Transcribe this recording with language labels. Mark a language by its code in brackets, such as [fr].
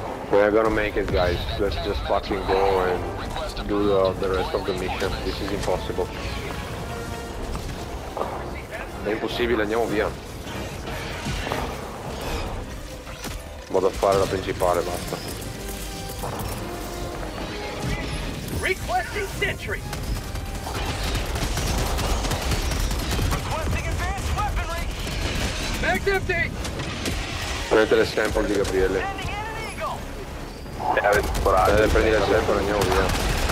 [en] We're gonna make it guys, let's just fucking go and do the rest of the mission. This is impossible. [it] È impossibile, andiamo via. Vado a fare la principale, basta. [en] Requesting sentry. Requesting advanced weaponry. Mag empty. [it] Prendete le sample di Gabriele. Avete prendi le sample e andiamo via.